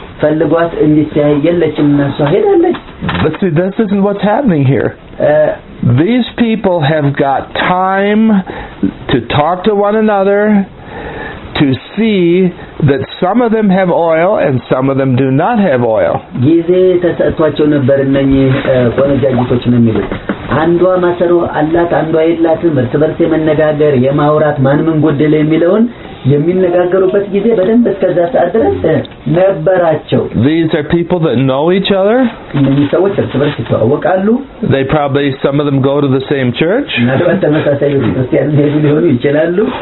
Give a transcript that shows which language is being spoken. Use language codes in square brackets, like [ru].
[am] Fellegwat initiay yellechim naso hedalle. [en] But see, this isn't what's happening here. These people have got time to talk to one another, to see that some of them have oil and some of them do not have oil. [am] ጊዜ ተሰጥቷቸው ነበር እነኚ ወንጀልጆች ነው የሚሉት አንዷ ማሰሮ አላት አንዷ የላትም እርስ በርስ የመነጋገር የማውራት ማንም ጎደለ የሚለውን የሚነጋገሩበት ጊዜ በደንብ እስከዛ ሰዓት ድረስ ነበራቸው. [en] These are people that know each other. [am] እነዚህ ሰዎች እርስ በርስ ይተዋወቃሉ. [en] They probably some of them go to the same church. [am] ምናልባት ተመሳሳይ ቤተክርስቲያን ሄዱ ሊሆኑ ይችላሉ.